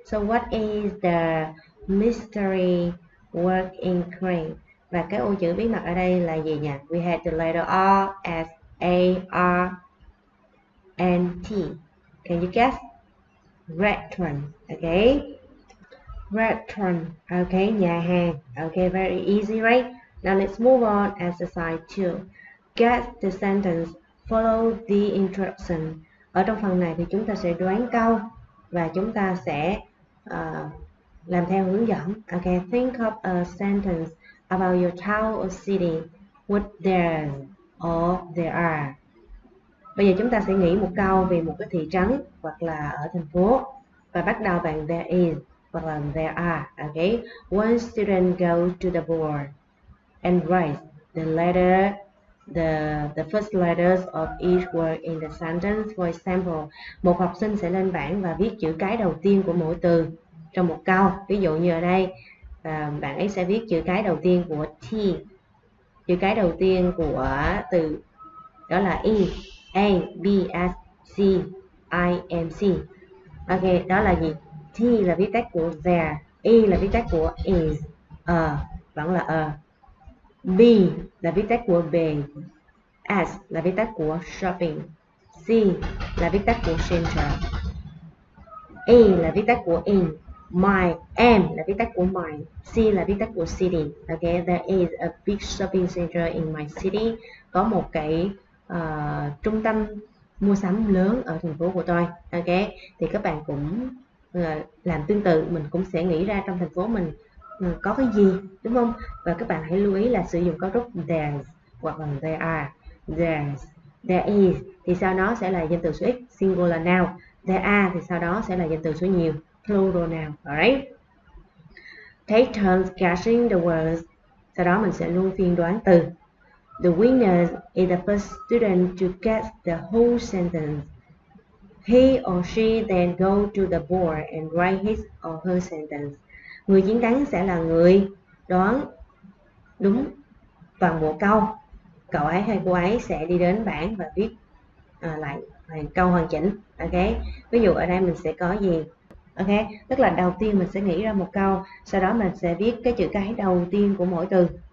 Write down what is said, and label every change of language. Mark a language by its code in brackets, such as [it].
[en] So what is the mystery word in crane? [vi] Và cái ô chữ bí mật ở đây là gì nhỉ? [en] We had the letter R, S, A, R, and T. Can you guess? Restaurant. Okay. Restaurant. Okay. [vi] Nhà hàng. [en] Okay. Very easy, right? Now let's move on exercise 2. Get the sentence. Follow the instruction. [vi] Ở trong phần này thì chúng ta sẽ đoán câu và chúng ta sẽ làm theo hướng dẫn. [en] Okay, think of a sentence about your town or city. What there or there are. [vi] Bây giờ chúng ta sẽ nghĩ một câu về một cái thị trấn hoặc là ở thành phố và bắt đầu bằng there is hoặc là there are. [en] Okay, one student goes to the board and writes the letter, the first letters of each word in the sentence. For example, [vi] một học sinh sẽ lên bảng và viết chữ cái đầu tiên của mỗi từ trong một câu. Ví dụ như ở đây, bạn ấy sẽ viết chữ cái đầu tiên của T, chữ cái đầu tiên của từ đó là E, A, B, S, C, I, M, C. Ok, đó là gì? T là viết tắt của there, E là viết tắt của is, vẫn là B là viết tắt của be, S là viết tắt của shopping, C là viết tắt của center, E là viết tắt của in, my, M là viết tắt của my, C là viết tắt của city. [en] Okay, there is a big shopping center in my city. [vi] Có một cái trung tâm mua sắm lớn ở thành phố của tôi. Okay, thì các bạn cũng làm tương tự, mình cũng sẽ nghĩ ra trong thành phố mình có cái gì, đúng không? Và các bạn hãy lưu ý là sử dụng cấu trúc there's hoặc là there are. There's, there is thì sau đó sẽ là danh từ số ít, singular noun. There are thì sau đó sẽ là danh từ số nhiều, plural noun. [en] Alright? Take turns guessing the words. [vi] Sau đó mình sẽ luôn phiên đoán từ. [en] The winner is the first student to get the whole sentence. He or she then go to the board and write his or her sentence. [vi] Người chiến thắng sẽ là người đoán đúng toàn bộ câu. Cậu ấy hay cô ấy sẽ đi đến bảng và viết lại câu hoàn chỉnh. Okay. Ví dụ ở đây mình sẽ có gì? Okay. Tức là đầu tiên mình sẽ nghĩ ra một câu, sau đó mình sẽ viết cái chữ cái đầu tiên của mỗi từ.